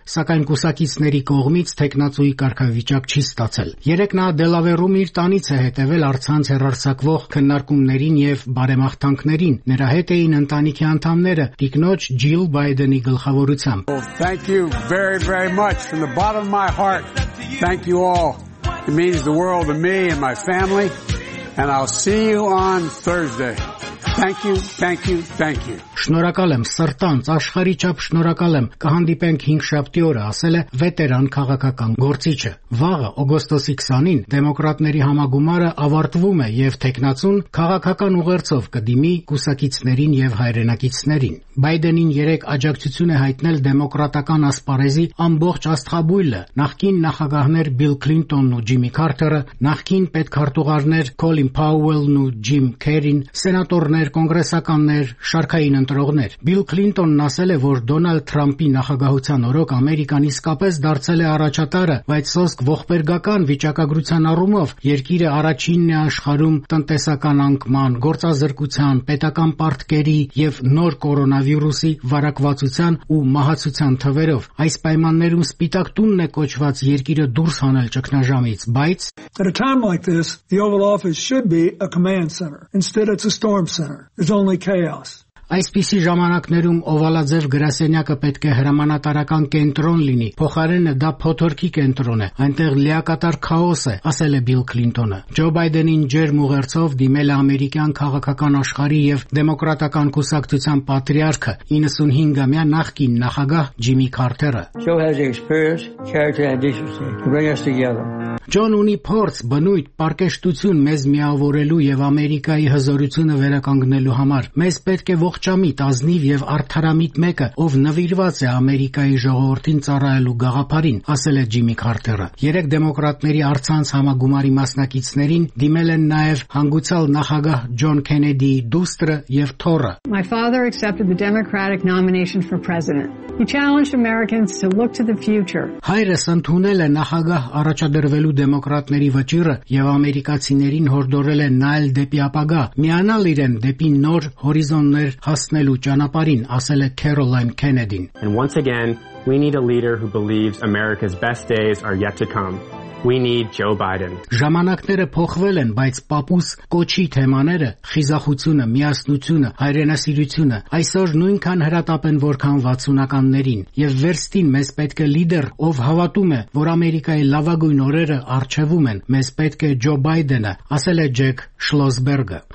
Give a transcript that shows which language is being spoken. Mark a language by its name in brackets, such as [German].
[Armenian] սակայն կուսակիցների կողմից թեկնածուի կարգավիճակ չի ստացել։ 3 նա Դելավերում իր տանից է հետևել առցանց հեռարձակվող քննարկումներին եւ բարեմաղթանքներին։ Նրա հետ էին ընտանիքի անդամները՝ տիկնոջ Ջիլ Բայդենի գլխավորությամբ։ [English] Thank you all. It means the world to me and my family, and I'll see you on Thursday. Thank you, thank you, thank you. [Armenian] Շնորհակալ եմ սրտանց, աշխարհի չափ շնորհակալ եմ։ Կհանդիպենք 5-7 օրը, ասել է վետերան քաղաքական գործիչը։ Վաղը, օգոստոսի 20-ին, դեմոկրատների համագումարը ավարտվում է եւ թեկնածուն քաղաքական ուղերձով կդիմի կուսակիցներին եւ հայրենակիցներին։ Բայդենին 3 աջակցություն է հայտնել դեմոկրատական ասպարեզի ամբողջ աստղաբույլը՝ նախկին նախագահներ Բիլ Քլինտոնն ու Ջիմի Քարթերը, նախկին պետքարտուղարներ Քոլին Փաուելն ու Ջիմ Քերին, սենատորներ, կոնգրեսականներ, շարքային ընտրողներ։ Բիլ Քլինտոնն ասել է, որ Դոնալդ Թրամփի նախագահության օրոք Ամերիկան իսկապես դարձել է առաջատարը, բայց սոսկ ողբերգական վիճակագրության առումով երկիրը առաջինն է աշխարհում տնտեսական անկման, գործազրկության, պետական պարտքերի եւ նոր կորոնավիրուսի վարակվածության ու մահացության թվերով։ Այս պայմաններում Սպիտակ տունն է կոչված երկիրը դուրս հանել ճգնաժամից, բայց [English] At a time like this, the Oval Office should be a command center. Instead, it's a storm center. It's only chaos. [Armenian] Այսպիսի ժամանակներում օվալաձև գրասենյակը պետք է հրամանատարական կենտրոն լինի, փոխարենը դա փոթորկի կենտրոն է, այնտեղ լիակատար քաոս է, ասել է Բիլ Քլինտոնը։ Ջո Բայդենին ջերմ ուղերձով դիմել է ամերիկյան քաղաքական աշխարհի եւ դեմոկրատական կուսակցության պատրիարքը, 95-ամյա նախկին նախագահ Ջիմի Քարթերը։ Ջոն ունի փորձ, բնույթ, պարկեշտություն մեզ միավորելու եւ Ամերիկայի հզորությունը վերականգնելու համար։ Մեզ պետք է ողջամիտ, ազնիվ եւ արդարամիտ մեկը, ով նվիրված է Ամերիկայի ժողովրդին ծառայելու գաղափարին, ասել է Ջիմի Քարթերը։ 3 դեմոկրատների առցանց համագումարի մասնակիցներին դիմել են նաեւ հանգուցալ նախագահ Ջոն Քենեդի դուստրը եւ Թորը։ [English] My father accepted the Democratic nomination for president. He challenged Americans to look to the future. [Armenian] Հայրս ընդունել է նախագահ առաջադրվելու դեմոկրատների վճիռը եւ ամերիկացիներին հորդորել է նայել դեպի ապագա, միանալ իրեն դեպի նոր հորիզոններ հասնելու ճանապարհին, ասել է Քերոլայն Քենեդին։ [English] And once again, we need a leader who believes America's best days are yet to come. We need Joe Biden. [Armenian] Ժամանակները փոխվել են, բայց պապուս կոչի թեմաները՝ խիզախությունը, միասնությունը, հայրենասիրությունը, այսօր նույնքան հրատապ են, որքան 60-ականներին, եւ վերստին մեզ պետք է լիդեր, ով հավատում է, որ Ամերիկայի լավագույն օրերը առջևում են, մեզ պետք է Ջո Բայդենը, ասել է Ջեք Շլոսբերգը։